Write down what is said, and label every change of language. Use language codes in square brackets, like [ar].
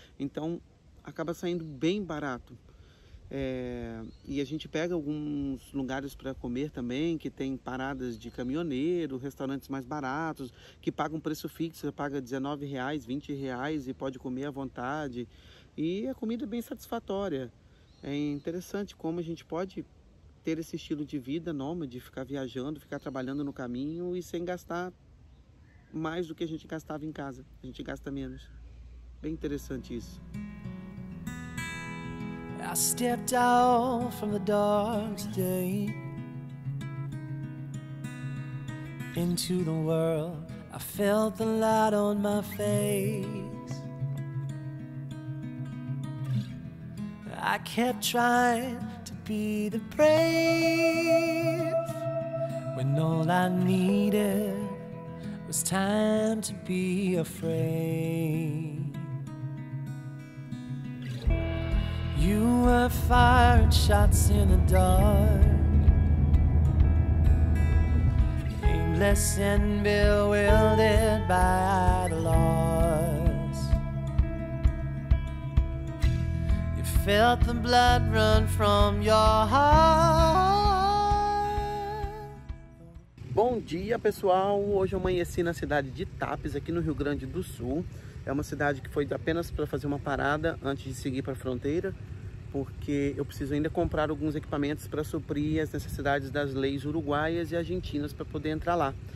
[pt] Então, acaba saindo bem barato. E a gente pega alguns lugares para comer também, que tem paradas de caminhoneiro, restaurantes mais baratos, que pagam um preço fixo, você paga R$19, R$20 e pode comer à vontade. E a comida é bem satisfatória. É interessante como a gente pode ter esse estilo de vida nômade, ficar viajando, ficar trabalhando no caminho e sem gastar mais do que a gente gastava em casa. A gente gasta menos. Bem interessante isso. [en] I stepped out from the dark today into the world. I felt the light on my face. I kept trying be the brave when all I needed was time to be afraid. You were firing shots in the dark, aimless and bewildered by the loss. Felt the blood run from your heart. [pt] Bom dia, pessoal! Hoje eu amanheci na cidade de Tapes, aqui no Rio Grande do Sul. É uma cidade que foi apenas para fazer uma parada antes de seguir para a fronteira, porque eu preciso ainda comprar alguns equipamentos para suprir as necessidades das leis uruguaias e argentinas para poder entrar lá.